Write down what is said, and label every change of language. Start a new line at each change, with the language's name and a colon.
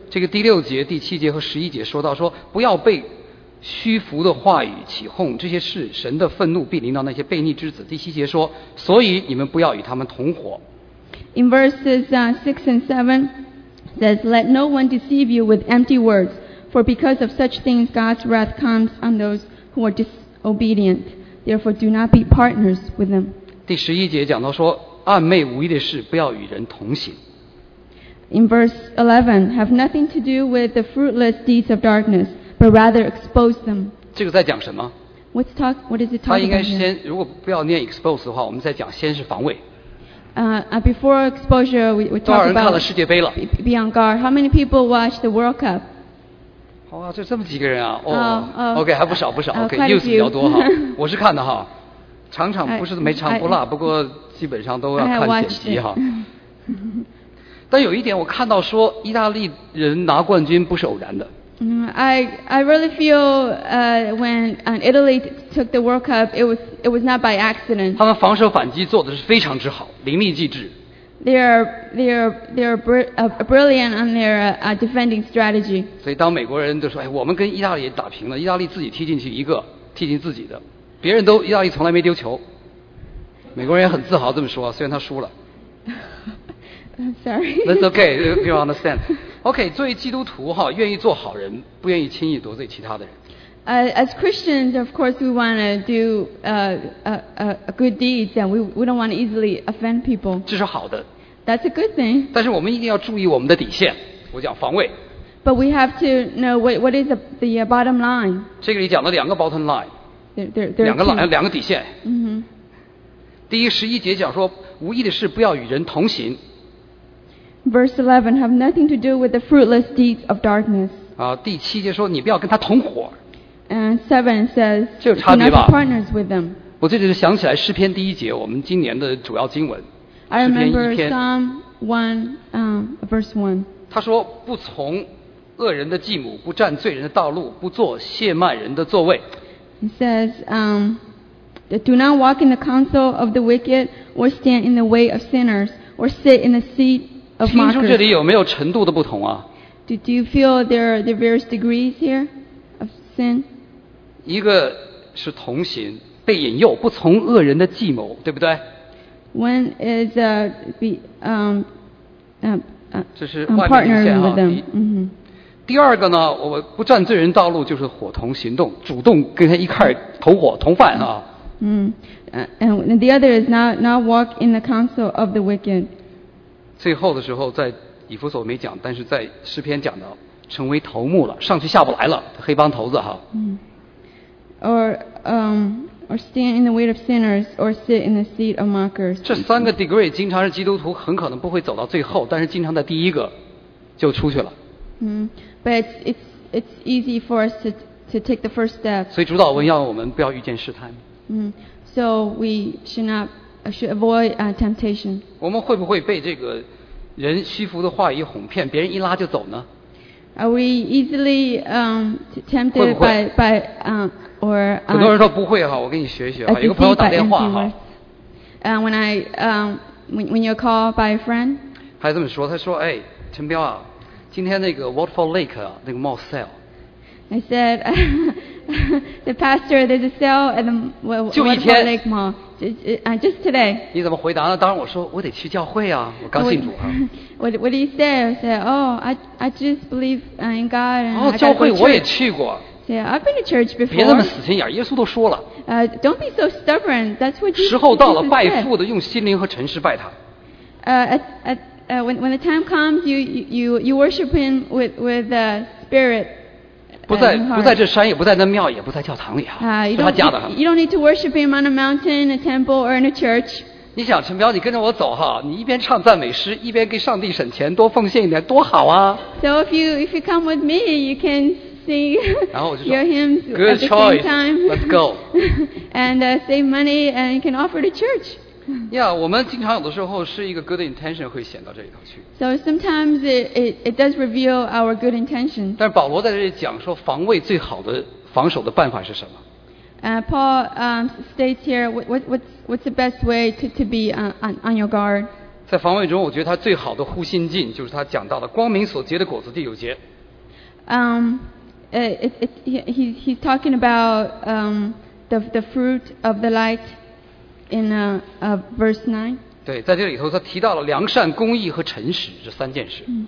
Chinese: 这个第六节、第七节和十一节说到说不要被虚浮的话语起哄，这些事神的愤怒必临到那些悖逆之子。第七节说，所以你们不要与他们同伙。
English: In verses 6 and 7 says, let no one deceive you with empty words, for because of such things God's wrath comes on those who are disobedient. Therefore, do not be partners with them.
Chinese: 第十一节讲到说，暧昧无益的事不要与人同行。
English: In verse 11, have nothing to do with the fruitless deeds of darkness. But rather expose them.
Chinese: 这个在讲什么？
English: What's talk? What is it talking about?
Chinese: 他应该是先，如果不要念 expose 的话，我们在讲先是防卫。
English: Before exposure, we talk about.
Chinese: 多少人看了世界杯了
English: ？Be on guard. How many people watch the World Cup?
Chinese: 哇、oh, ，就这么几个人啊！哦、oh, ，OK， 还不少不少。OK， news 比较多哈。我是看的哈，场场不是每场不落，不过基本上都要看剪辑哈。但有一点，我看到说意大利人拿冠军不是偶然的。
English: I really feel when Italy took the World Cup, it was not by accident.
Chinese: 他们防守反击做的是非常之好，淋漓尽致。
English: They are brilliant on their defending strategy.
Chinese: 所以当美国人都说，哎，我们跟意大利打平了，意大利自己踢进去一个，踢进自己的，别人都意大利从来没丢球。美国人也很自豪这么说，虽然他输了。
English: I'm sorry. That's okay. You understand.
Chinese: OK， 作为基督徒哈，愿意做好人，不愿意轻易得罪其他的人。
English: As Christians, of course, we want to do a good deeds, and we don't want to easily offend people.
Chinese: 这是好的。
English: That's a good thing.
Chinese: 但是我们一定要注意我们的底线，我讲防卫。
English: But we have to know what is the bottom line.
Chinese: 这个里讲了两个 bottom line.
English: There
Chinese: 两个底线。 Mm-hmm. 第一十一节讲说，无益的事不要与人同行。
English: Verse 11 have nothing to do with the fruitless deeds of darkness.
Chinese: 第七节说你不要跟他同伙。
English: And 7 says, do not be partners with them.
Chinese: 我这里就想起来诗篇第一节，我们今年的主要经文。
English: I remember Psalm 1, verse 1.
Chinese: 他说不从恶人的计谋，不占罪人的道路，不坐亵慢人的座位。
English: He says, do not walk in the counsel of the wicked, or stand in the way of sinners, or sit in the seat.
Chinese: 听说这里有没有程度的不同啊？
English: Do you feel there are various degrees here of sin?
Chinese: 一个是同行，被引诱，不从恶人的计谋，对不对？
English: One is partnering with them.
Chinese: 第二个呢，我不占罪人道路，就是伙同行动，主动跟他一块同伙同犯啊。
English: And the other is not walk in the counsel of the wicked.
Chinese: 最后的时候在以弗所没讲，但是在诗篇讲到成为头目了，上去下不来了，黑帮头子哈。
English: Or stand in the way of sinners or sit in the seat of mockers.
Chinese: 这三个 degree 经常是基督徒很可能不会走到最后，但是经常在第一个就出去了。
English: But it's easy for us to take the first step.
Chinese: 所以主导文要我们不要遇见试探。
English: So we should notShould avoid temptation.
Chinese: 我们会不会被这个人虚浮的话语哄骗，别人一拉就走呢？
English: Are we easily tempted
Chinese: 会不会
English: by or?
Chinese: 很多人说不会哈，我跟你学一学哈。有个朋友打电话哈。
English: When you call by a friend.
Chinese: 他这么说，他说：“哎，陈彪啊，今天那个 Waterfall Lake 啊，那个 mall sale.
English: I said, the pastor, there's a sale at the Waterfall Lake Mall. Just today.
Chinese: 你怎么回答呢？当然我说我得去教会啊，我刚信主啊。
English: What do you say? I say, oh, I just believe in God.
Chinese: 哦，教会我也去过。
English: Say, I've been to church before.
Chinese: 别那么死心眼，耶稣都说了。
English: Don't be so stubborn. That's what Jesus said.
Chinese: 时候到了，拜父的用心灵和诚实拜他。
English: When the time comes, you worship him with the spirit.
Chinese: 不在这山，也不在那庙，也不在教堂里啊，是他家的。
English: You don't need to worship him on a mountain, a temple, or in a church.
Chinese: 你想，陈彪，你跟着我走哈，你一边唱赞美诗，一边给上帝省钱，多奉献一点，多好啊。
English: So if you come with me, you can sing your hymns at the same time. Let's go. And save money and you can offer to church.
Chinese: Yeah, 我们经常有的时候是一个 good intention 会显到这里头去。
English: So sometimes it does reveal our good intention.
Chinese: 但保罗在这里讲说防卫最好的防守的办法是什么？
English: Paul states here, what's the best way to be on your guard?
Chinese: 在防卫中，我觉得他最好的护心镜就是他讲到的光明所结的果子地有结。
English: He's talking about the fruit of the light in verse 9.
Chinese: 对，在这里头他提到了良善、公义和诚实这三件事。